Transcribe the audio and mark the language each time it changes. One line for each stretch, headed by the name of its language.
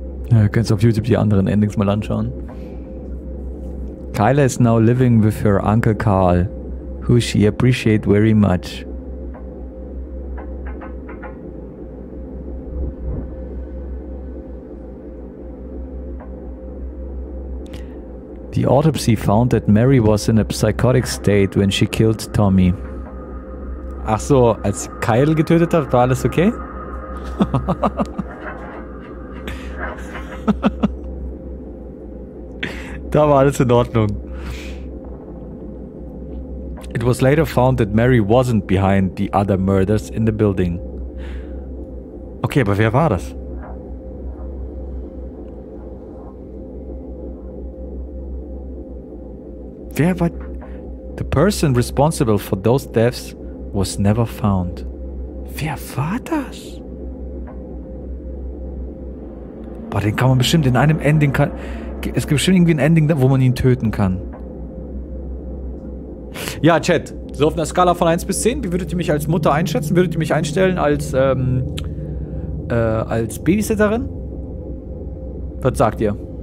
German: Könntest auf YouTube die anderen Endings mal anschauen.
English: Kyla is now living with her Uncle Carl, who she appreciates very much. The autopsy found that Mary was in a psychotic state when she killed Tommy.
German: Ach so, als Kyle getötet hat, war alles okay? Da war alles in Ordnung.
English: It was later found that Mary wasn't behind the other murders in the building.
German: Okay, aber wer war das? Wer war...
English: The person responsible for those deaths was never found.
German: Wer war das? Boah, den kann man bestimmt in einem Ending... Es gibt bestimmt irgendwie ein Ending, wo man ihn töten kann. Ja, Chat. So auf einer Skala von 1 bis 10, wie würdet ihr mich als Mutter einschätzen? Würdet ihr mich einstellen als Babysitterin? Was sagt ihr?